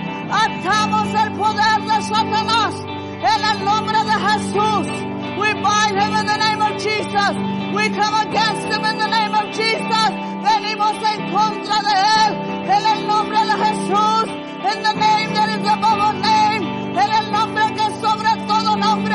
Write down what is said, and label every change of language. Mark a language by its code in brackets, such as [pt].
[es] Atamos el poder de Satanás en el nombre de Jesús. [en] We bind him in the name of Jesus. We come against him in the name of Jesus. [es] Venimos en contra de él en el nombre de Jesús. [en] In the name that is above all name. [es] En el nombre que es sobre todo nombre.